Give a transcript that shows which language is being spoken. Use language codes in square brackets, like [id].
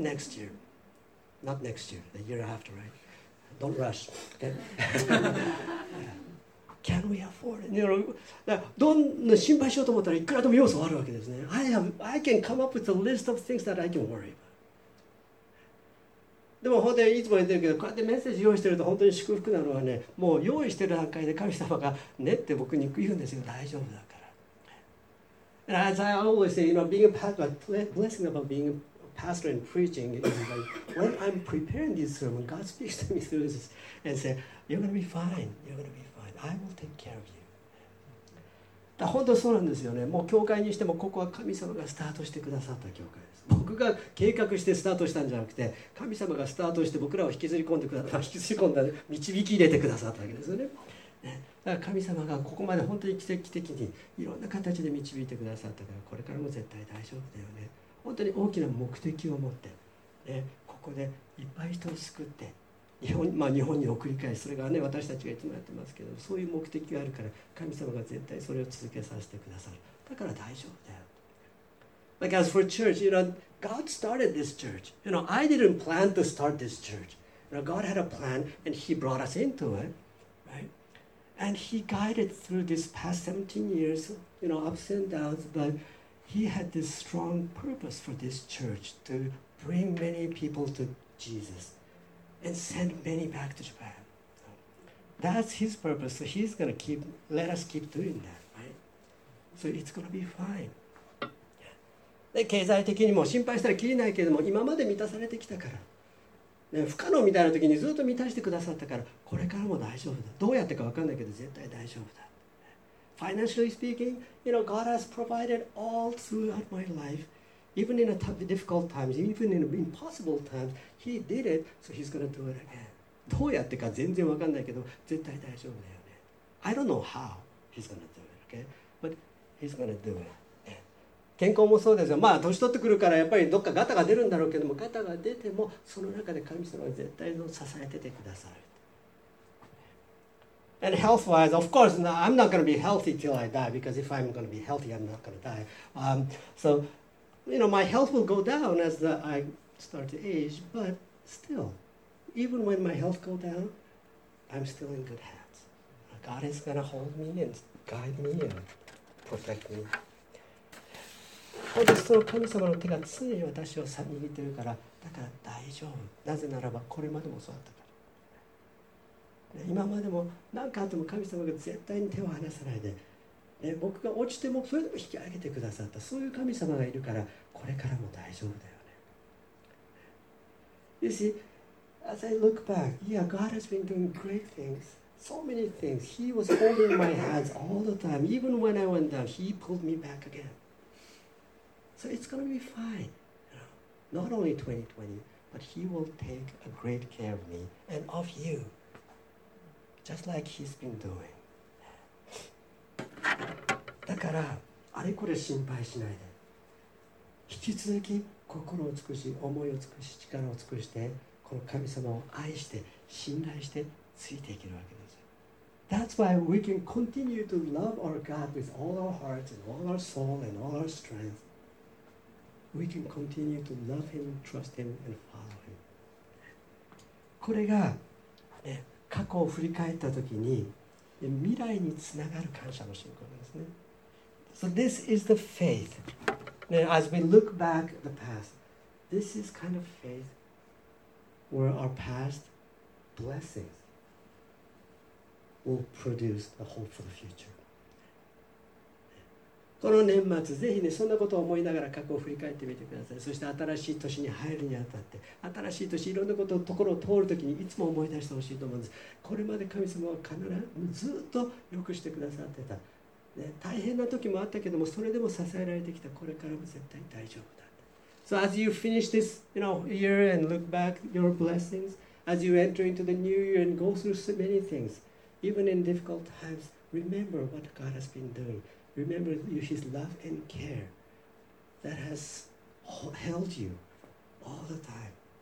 [en] Next year. Not next year, the year after, right? Don't rush. Okay? Can we afford it? You know, [ja] 心配しようと思ったらいくらでも要素あるわけですね。 [en] I can come up with a list of things that I can worry about. [ja] でも本当にいつも言ってるけど、こうやってメッセージ用意してると本当に祝福なのはね、もう用意してる段階で神様がねって僕に言うんですよ、大丈夫だから。 [en] And as I always say, you know, being a pastor, blessing about being a pastor and preaching is like, when I'm preparing this sermon, God speaks to me through this and say, you're going to be fine, you're going to be fine, I will take care of you. [ja] だ本当そうなんですよね、もう教会にしてもここは神様がスタートしてくださった教会。僕が計画してスタートしたんじゃなくて、神様がスタートして僕らを引きずり込んでくださった、引きずり込んだ、導き入れてくださったわけですよね。ね、だから神様がここまで本当に奇跡的にいろんな形で導いてくださったから、これからも絶対大丈夫だよね。本当に大きな目的を持って、ね、ここでいっぱい人を救って、日本に送り返す、それがね、私たちがいつもやってますけど、そういう目的があるから、神様が絶対それを続けさせてくださる。だから大丈夫だよ。 [en] Like as for church, you know, God started this church. You know, I didn't plan to start this church. You know, God had a plan and He brought us into it, right? And He guided through this past 17 years, you know, ups and downs, but He had this strong purpose for this church to bring many people to Jesus and send many back to Japan. So that's His purpose. So He's going to keep, let us keep doing that, right? So it's going to be fine. [ja] で経済的にも心配したらきりないけれども、今まで満たされてきたから、ね、不可能みたいな時にずっと満たしてくださったから、これからも大丈夫だ、どうやってか分かんないけど絶対大丈夫だ。 [en] Financially speaking, you know, God has provided all throughout my life, even in a tough, difficult times, even in impossible times, He did it, so He's going to do it again. [ja] どうやってか全然分かんないけど絶対大丈夫だよね。 [en] I don't know how He's going to do it, okay? But He's going to do it. [ja] 健康もそうですよ。まあ年取ってくるからやっぱりどっかガタが出るんだろうけども、ガタが出てもその中で神様は絶対の支えててくださる。 [en] And health wise, of course, now I'm not going to be healthy till I die, because if I'm going to be healthy, I'm not going to die. So, you know, my health will go down as I start to age, but still, even when my health go down, I'm still in good hands. God is going to hold me and guide me and protect me. [ja] 本当にその神様の手が常に私を握ってるから、だから大丈夫、なぜならばこれまでもそうだったから、ね、今までも何かあっても神様が絶対に手を離さないで、ね、僕が落ちてもそれでも引き上げてくださった、そういう神様がいるからこれからも大丈夫だよね。 [en] You see, as I look back, yeah, God has been doing great things, so many things. He was holding my hands all the time. Even when I went down, He pulled me back again. So it's going to be fine. Not only 2020, but He will take a great care of me and of you, just like He's been doing. [ja] だからあれこれ心配しないで、引き続き心を尽くし、思いを尽くし、力を尽くして、この神様を愛して信頼してついていけるわけです。 [en] That's why we can continue to love our God with all our hearts and all our soul and all our strength. We can continue to love Him, trust Him and follow Him. [ja] これが、ね、過去を振り返った時に未来につながる感謝の信仰ですね。 [en] So this is the faith. Now, as we look back the past, this is kind of faith where our past blessings will produce a hope for the future. [ja] この年末ぜひね、そんなことを思いながら過去を振り返ってみてください。そして新しい年に入るにあたって、新しい年いろんなことをところを通るときにいつも思い出してほしいと思うんです。これまで神様は必ずずっと良くしてくださってた、ね、大変な時もあったけども、それでも支えられてきた、これからも絶対大丈夫だ。 [en] So as you finish this, you know, year and look back your blessings, as you enter into the new year and go through so many things, even in difficult times, remember what God has been doingRemember His love and care that has held you all the time.